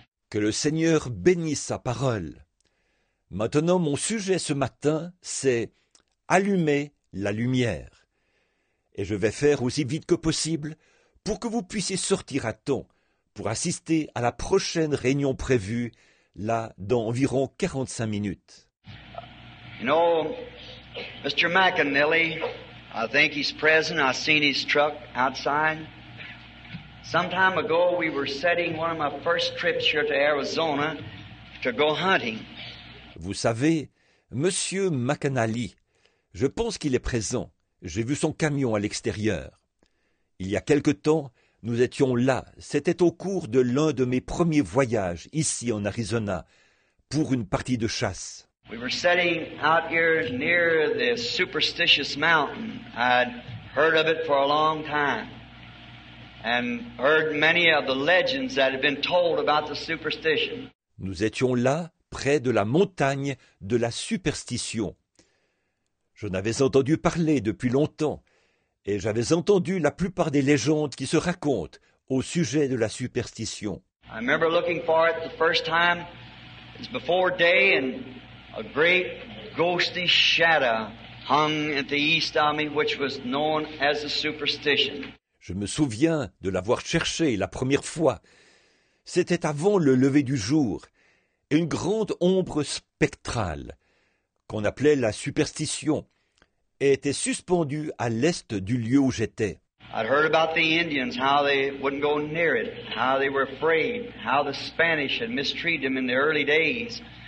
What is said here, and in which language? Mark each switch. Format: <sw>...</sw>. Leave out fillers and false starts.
<fr>Que le Seigneur bénisse sa parole. Maintenant, mon sujet ce matin, c'est allumer la lumière. Et je vais faire aussi vite que possible pour que vous puissiez sortir à temps pour assister à la prochaine réunion prévue, là, dans environ 45 minutes.</fr> <en>You know, Mr. McAnally, I think he's present. I seen his truck outside. Some time ago, we were setting one of my first trips here to Arizona to go hunting.</en> <fr>Vous savez, Monsieur McAnally, je pense qu'il est présent. J'ai vu son camion à l'extérieur. Il y a quelque temps, nous étions là. C'était au cours de l'un de mes premiers voyages ici en Arizona pour une partie de chasse.</fr> <en>We were sitting out here near the superstitious mountain. I'd heard of it for a long time and heard many of the legends that had been told about the superstition.</en> <fr>Nous étions là près de la montagne de la superstition. J'en avais entendu parler depuis longtemps et j'avais entendu la plupart des légendes qui se racontent au sujet de la superstition.</fr> <en>I remember looking for it the first time. It's before day and a great ghostly shadow hung at the east of me, which was known as a superstition.</en> <fr>Je me souviens de l'avoir cherché la première fois. C'était avant le lever du jour, et une grande ombre spectrale, qu'on appelait la superstition, était suspendue à l'est du lieu où j'étais.</fr> <en>I'd heard about the Indians, how they wouldn't go near it, how they were afraid, how the Spanish had mistreated them in the early days.</en>